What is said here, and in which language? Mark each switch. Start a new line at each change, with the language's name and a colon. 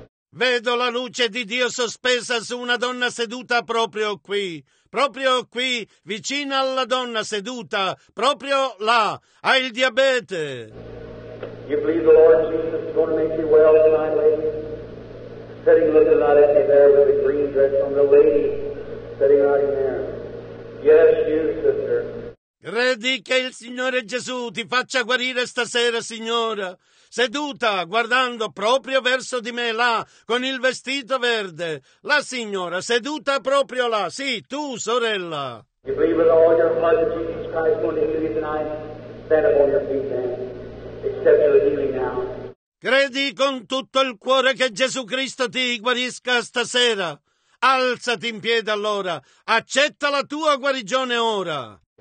Italian: Vedo la luce di Dio sospesa su una donna seduta proprio qui, vicino alla donna seduta, proprio là, ha il diabete.
English: You believe the Lord Jesus is going to make you well tonight, lady? Sitting looking out at you there with the green dress on, the lady sitting out in there. Yes, you, sister.
Italian: Credi che il Signore Gesù ti faccia guarire stasera, signora? Seduta, guardando proprio verso di me, là, con il vestito verde. La signora, seduta proprio là. Sì, tu, sorella.
English: You believe with all your heart that Jesus Christ will heal you tonight? Stand up on your feet, man. Accept your healing now.
Italian: Credi con tutto il cuore che Gesù Cristo ti guarisca stasera? Alzati in piedi allora. Accetta la tua guarigione ora.